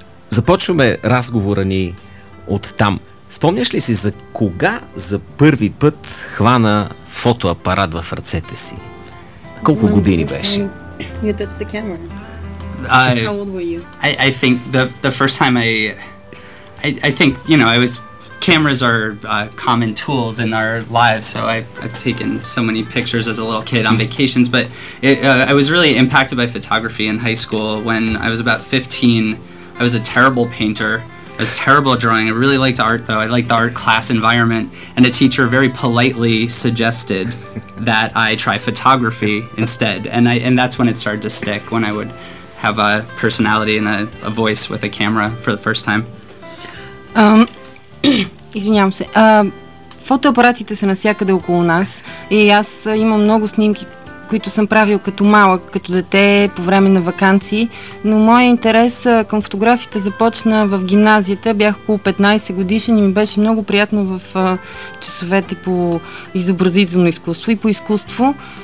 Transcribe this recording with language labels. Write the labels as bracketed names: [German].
[Bulgarian] Започваме разговора ни от там. Спомняш ли си за кога за първи път хвана фотоапарат в ръцете си? Колко години беше? [English] You touched the camera. How old were you? I think the first time I think, you know, I was... Cameras are common tools in our lives, so I've taken so many pictures as a little kid on vacations, but I was really impacted by photography in high school when I was about 15. I was a terrible painter. I was terrible at drawing. I really liked art, though. I liked the art class environment, and a teacher very politely suggested that I try photography instead, and that's when it started to stick, when I would have a personality and a voice with a camera for the first time. [Bulgarian] Извинявам се. Фотоапаратите са навсякъде около нас и аз имам много снимки, които съм правил като малък, като дете, по време на ваканции, но моят интерес към фотографията започна в гимназията. Бях около 15 годишен и ми беше много приятно в часовете по изобразително изкуство и по изкуство.